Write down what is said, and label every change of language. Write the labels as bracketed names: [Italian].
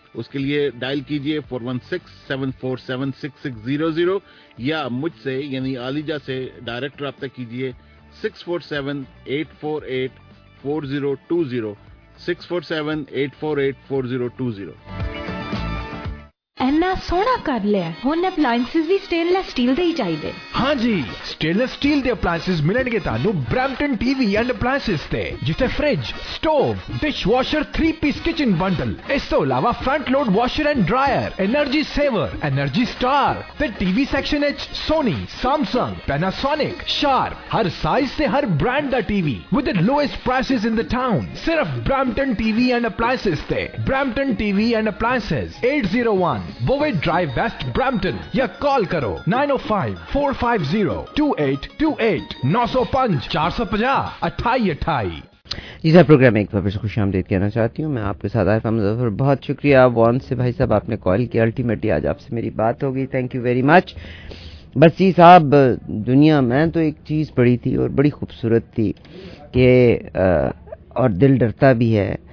[Hindi] उसके लिए डायल कीजिए 416-747-6600 या मुझसे यानी आलिजा से डायरेक्ट रब्ता कीजिए 647-848-4020 [Punjabi] ਇੰਨਾ ਸੋਹਣਾ ਕਰ ਲਿਆ ਹੁਣ ਅਪਲਾਇੰਸਿਸ ਵੀ ਸਟੇਨਲੈਸ ਸਟੀਲ ਦੇ ਹੀ ਚਾਹੀਦੇ ਹਾਂਜੀ ਸਟੇਨਲੈਸ ਸਟੀਲ ਦੇ ਅਪਲਾਇੰਸਿਸ ਮਿਲਣਗੇ ਤੁਹਾਨੂੰ ਬ੍ਰੈਂਪਟਨ ਟੀਵੀ ਐਂਡ ਅਪਲਾਇੰਸਿਸ ਤੇ ਜਿੱਥੇ fridge stove dishwasher 3 piece kitchen bundle ਇਸ ਤੋਂ ਇਲਾਵਾ front load washer and dryer energy saver energy star ਤੇ ਟੀਵੀ ਸੈਕਸ਼ਨ ਵਿੱਚ ਸੋਨੀ ਸੈਮਸੰਗ ਪੈਨਾਸੋਨਿਕ ਸ਼ਾਰਪ ਹਰ ਸਾਈਜ਼ ਤੇ ਹਰ brand ਦਾ TV [English] with the lowest prices in the town [Punjabi] ਸਿਰਫ Brampton TV and appliances ਤੇ Brampton TV and appliances 801 Bowie Drive West Brampton ya call karo 905-450-2828 905-450-2828 [Hindi] इसी programme में एक बार फिर से खुशामदीद कहना चाहती हूँ मैं आपके साथ आरिफ अहमद ज़फर बहुत शुक्रिया वॉन से भाई साहब आपने कॉल किया अल्टीमेटली आज आपसे मेरी बात हो गई [English] thank you very much [Hindi] बसी साहब दुनिया में तो एक चीज़ पड़ी थी और बड़ी खूबसूरत थी कि और दिल डरता भी है